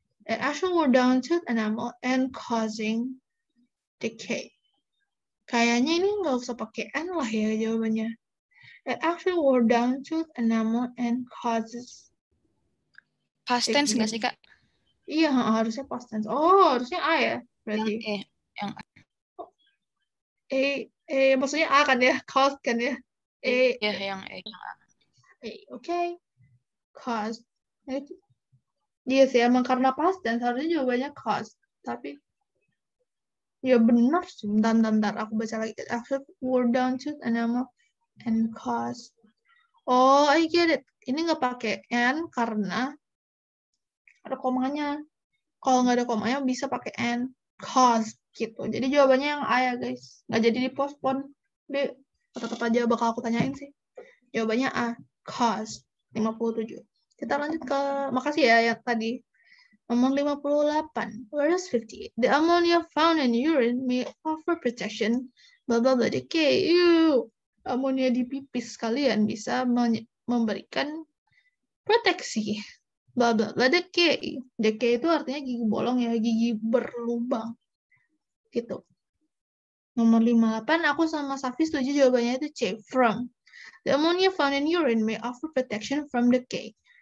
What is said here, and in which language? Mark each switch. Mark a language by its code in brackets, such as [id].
[en] It actually wore down tooth enamel and causing decay. [id] Kayaknya ini nggak usah pakai N lah ya jawabannya. [en] It actually wore down tooth enamel and causes. [id] Past tense nggak sih, Kak? Iya, harusnya past tense. Oh, harusnya A ya? Berarti. Yang A. Yang A. A, maksudnya A kan ya? Cause kan ya? A. Iya, yeah, yang A. A, okay. Cause. Iya sih, emang karena past tense, harusnya jawabannya cause. Tapi, ya benar sih. Bentar, aku baca lagi. [en] It actually wore down tooth enamel and cause. Oh, I get it. [id] Ini nggak pakai N karena ada komanya. Kalau nggak ada komanya, bisa pakai N. Cause, gitu. Jadi jawabannya yang A ya, guys. Nggak jadi dipostpone. Tapi, tetap aja bakal aku tanyain sih. Jawabannya A, cause. 57. Kita lanjut ke, makasih ya yang tadi. Nomor 58. [en] Where is 58? The ammonia found in urine may offer protection. Blah, blah, blah, decay. [id] Ammonia di pipis kalian bisa memberikan proteksi. [en] Blah, blah, blah, decay. [id] Decay itu artinya gigi bolong ya, gigi berlubang. Gitu. Nomor 58, aku sama Safi setuju jawabannya itu C. From. [en] The ammonia found in urine may offer protection from decay.